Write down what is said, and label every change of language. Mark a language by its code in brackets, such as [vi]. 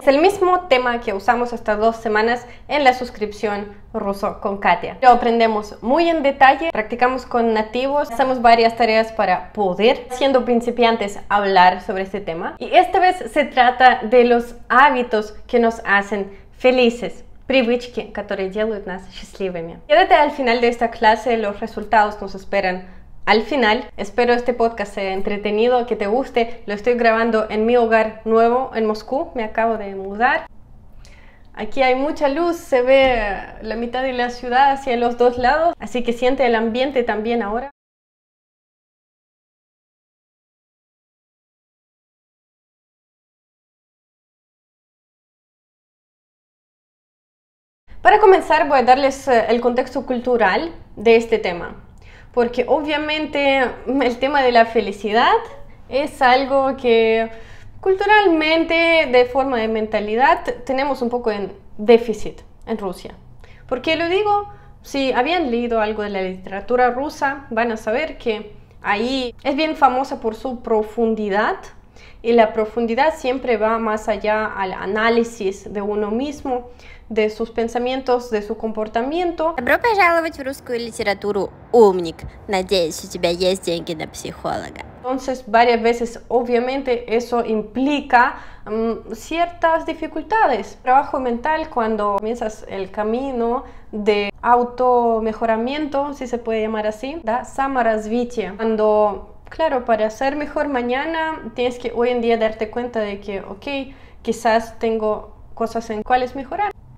[es] Es el mismo tema que usamos estas dos semanas en la suscripción Ruso con Katia. Lo aprendemos muy en detalle, practicamos con nativos, hacemos varias tareas para poder, siendo principiantes, hablar sobre este tema. Y esta vez se trata de los hábitos que nos hacen felices. [ru] Привычки, которые делают нас счастливыми. [es] Quédate al final de esta clase, los resultados nos esperan. Al final, espero este podcast sea entretenido, que te guste. Lo estoy grabando en mi hogar nuevo en Moscú. Me acabo de mudar. Aquí hay mucha luz, se ve la mitad de la ciudad hacia los dos lados. Así que siente el ambiente también ahora. Para comenzar, voy a darles el contexto cultural de este tema. Porque obviamente el tema de la felicidad es algo que culturalmente, de forma de mentalidad, tenemos un poco en déficit en Rusia. ¿Por qué lo digo? Si habían leído algo de la literatura rusa, van a saber que ahí es bien famosa por su profundidad. Y la profundidad siempre va más allá al análisis de uno mismo, de sus pensamientos, de su comportamiento. [ru] Добро пожаловать в русскую литературу, умник. Надеюсь, у тебя есть деньги на психолога. [es] Entonces, varias veces, obviamente, eso implica ciertas dificultades. Trabajo mental cuando comienzas el camino de automejoramiento, si se puede llamar así, [ru] da саморазвитие. [es] Cuando, claro, para ser mejor mañana, tienes que hoy en día darte cuenta de que, ok, quizás tengo cosas en cuales mejorar.